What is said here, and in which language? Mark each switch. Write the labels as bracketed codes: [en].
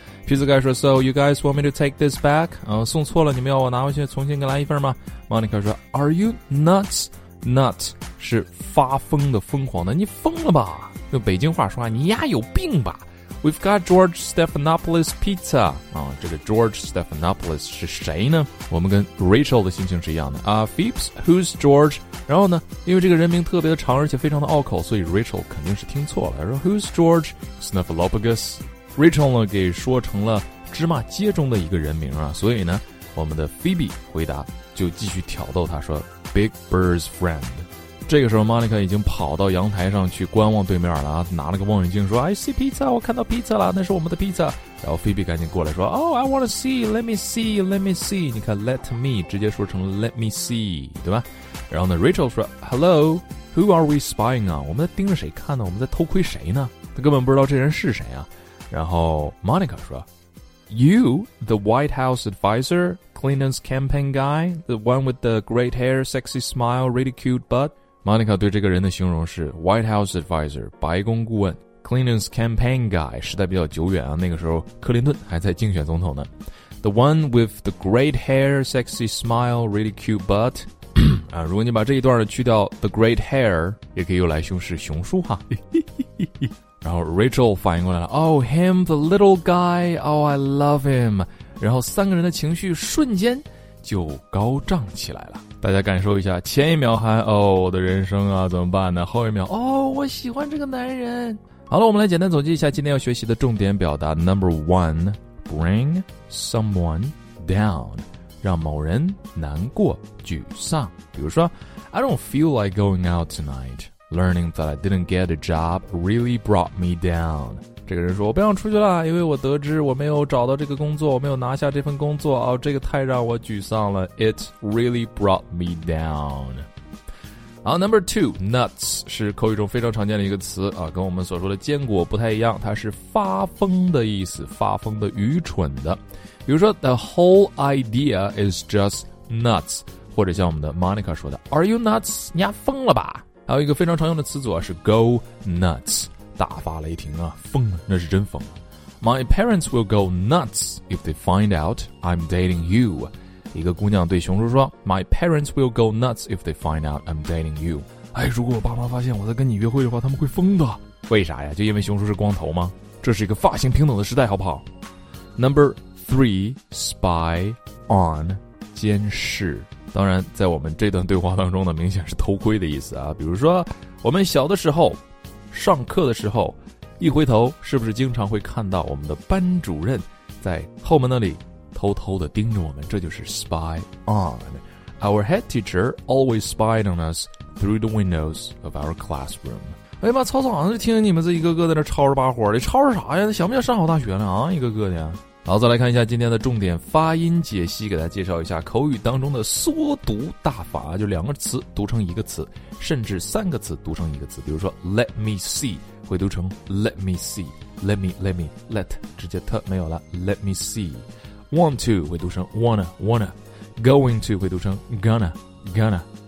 [en] pizza guy 说 So you guys want me to take this back？ [zh] 送错了，你们要我拿回去重新给来一份吗？ [en] Monica 说 Are you nuts? [zh] Nut 是发疯的，疯狂的，你疯了吧，用北京话说话，你丫有病吧。 [en] We've got George Stephanopoulos pizza、 [zh] 这个 George Stephanopoulos 是谁呢？我们跟 Rachel 的心情是一样的、 [en] Phoebs, who's George? [zh] 然后呢，因为这个人名特别的长而且非常的拗口，所以 Rachel 肯定是听错了，说 [en] Who's George Stephanopoulos? [zh] Rachel 呢给说成了芝麻街中的一个人名啊，所以呢我们的 Phoebe 回答就继续挑逗他说 [en] Big Bird's friend。 [zh] 这个时候 Monica 已经跑到阳台上去观望对面了、拿了个望远镜说 [en] I see pizza， [zh] 我看到 pizza 了，那是我们的 pizza。然后 Phoebe 赶紧过来说 [en] Oh I wanna see， let me see， let me see， [zh] 你看 [en] let me [zh] 直接说成 [en] let me see， [zh] 对吧。然后呢 Rachel 说 [en] Hello， who are we spying on？ [zh] 我们在盯着谁看呢？我们在偷窥谁呢？他根本不知道这人是谁啊。然后 Monica 说 [en] You, the White House advisor, Clinton's campaign guy, the one with the great hair, sexy smile, really cute butt. [zh] Monica 对这个人的形容是 [en] White House advisor, [zh] 白宫顾问 [en] Clinton's campaign guy, [zh] 时代比较久远啊，那个时候克林顿还在竞选总统呢。 [en] The one with the great hair, sexy smile, really cute butt. [zh] 如果你把这一段去掉 [en] the great hair, [zh] 也可以用来修饰熊叔哈。然后 Rachel 反应过来了 [en] Oh him the little guy Oh I love him。 [zh] 然后三个人的情绪瞬间就高涨起来了，大家感受一下，前一秒还哦我的人生啊怎么办呢，后一秒哦我喜欢这个男人。好了，我们来简单总结一下今天要学习的重点表达。 [en] Number one， bring someone down， [zh] 让某人难过沮丧。比如说 [en] I don't feel like going out tonightLearning that I didn't get a job really brought me down. [zh] 这个人说我不想出去了，因为我得知我没有找到这个工作，我没有拿下这份工作，这个太让我沮丧了。 [en] It really brought me down. [zh] 好， number two, nuts 是口语中非常常见的一个词啊，跟我们所说的坚果不太一样，它是发疯的意思，发疯的，愚蠢的。比如说 [en] the whole idea is just nuts， [zh] 或者像我们的 Monica 说的 [en] Are you nuts? [zh] 你丫疯了吧。还有一个非常常用的词组啊，是 [en] go nuts， [zh] 大发雷霆啊，疯了，那是真疯。 [en] My parents will go nuts if they find out I'm dating you。 [zh] 一个姑娘对熊叔说 [en] ，My parents will go nuts if they find out I'm dating you。 [zh] 哎，如果我爸妈发现我在跟你约会的话，他们会疯的。为啥呀？就因为熊叔是光头吗？这是一个发型平等的时代，好不好 ？ [en] Number three， spy on， [zh] 监视。当然在我们这段对话当中呢，明显是偷窥的意思啊。比如说我们小的时候上课的时候一回头，是不是经常会看到我们的班主任在后门那里偷偷地盯着我们，这就是 [en] spy on。 Our head teacher always spied on us through the windows of our classroom。 [zh] 哎呀妈，操操，好像就听你们这一个个在那吵着把火的，吵着啥呀，想不想上好大学呢啊，一个个的。好，再来看一下今天的重点发音解析，给大家介绍一下口语当中的缩读大法，就两个词读成一个词，甚至三个词读成一个词。比如说 [en] let me see [zh] 会读成 let me see， let me let 直接特没有了 let me see， want to 会读成 wanna， going to 会读成 gonna。